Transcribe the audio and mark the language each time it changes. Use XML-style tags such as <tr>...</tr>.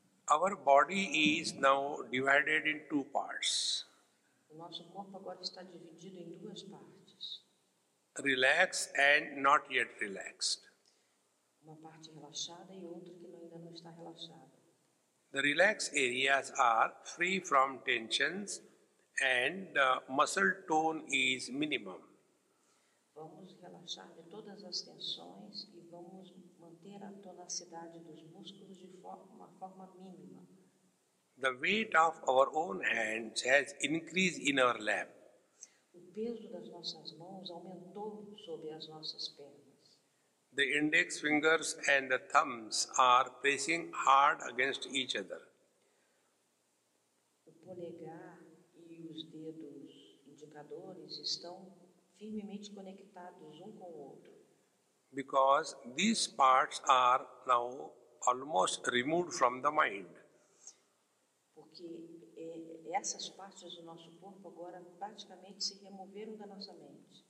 <en>Our body is now divided in two parts.</en> <pt>O nosso corpo agora está dividido em duas partes.</pt> <en>Relaxed and not yet relaxed.</en> <pt>Uma parte relaxada e outra que ainda não está relaxada.</pt> <en>The relaxed areas are free from tensions. And the muscle tone is minimum.</en> <pt>Vamos relaxar de todas as tensões e vamos manter a tonacidade dos músculos de uma forma mínima.</pt> <en>The weight of our own hands has increased in our lap.</en> <pt>O peso das nossas mãos aumentou sobre as nossas pernas.</pt> <en>The index fingers and the thumbs are pressing hard against each other.</en> <pt>O polegar os dedos indicadores estão firmemente conectados um com o outro.</pt> <en>Because these parts are now almost removed from the mind.</en> <pt>Porque essas partes do nosso corpo agora praticamente se removeram da nossa mente.</pt>